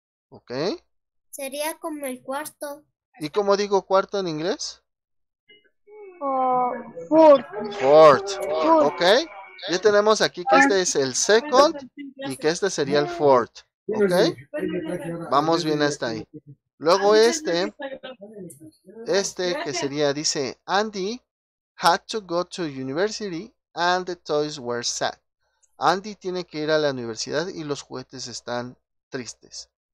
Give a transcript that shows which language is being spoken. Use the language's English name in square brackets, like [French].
[Spanish] ¿Ok? Sería como el cuarto. ¿Y cómo digo cuarto en inglés? [English] Fourth. ¿Ok? [Spanish] Ya tenemos aquí que este es el second y que este sería el fourth. ¿Ok? Vamos bien hasta ahí. Luego este que sería, dice, [English] Andy had to go to university and the toys were sad. [Spanish] Andy tiene que ir a la universidad y los juguetes están tristes.